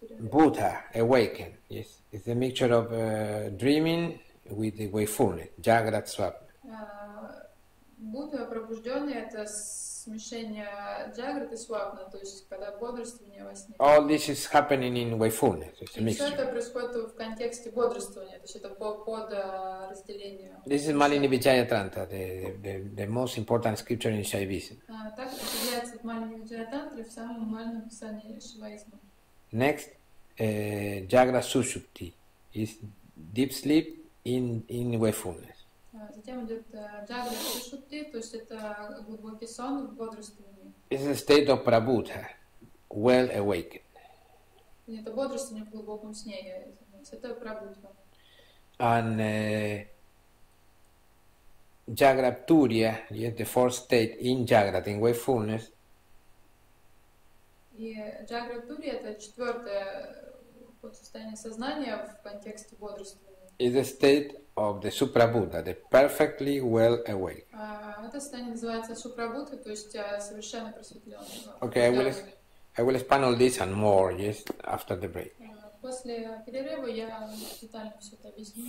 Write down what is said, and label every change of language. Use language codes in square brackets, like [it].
[en] Buddha, awaken, yes, is a mixture of dreaming with the wakefulness, jagrat swap. [ru] Будда пробужденный это смешение джаграт и свапна, то есть когда бодрствование во сне. [en] All this is happening in wakefulness. It's a mixture. [ru] И все это происходит в контексте бодрствования, то есть это под разделение. [en] This is Malini Vijaya Tantra, the most important scripture in Shaivism. [ru] Так определяется в Малини Виджая Тантре в самом нормальном писании Шиваизма. [en] Next, Jagra Sushupti is deep sleep in wakefulness. [ru] Затем идет джагра сушупти, то есть это глубокий сон в бодрствовании. [en] It's a state of prabuddha, well awakened. [ru] Это бодрствование в глубоком сне, я извиняюсь, это прабуддха. [en] And jagra turiya, yes, the fourth state in jagra, in wakefulness. [ru] И джагра турия это четвертое состояние сознания в контексте бодрствования. [en] It's a state of the Supra Buddha, the perfectly well awake. [ru] Это состояние называется супрабудха, то есть совершенно просветленный. [en] Okay, I will expand all this and more, yes, after the break. [ru] После перерыва я детально все это объясню.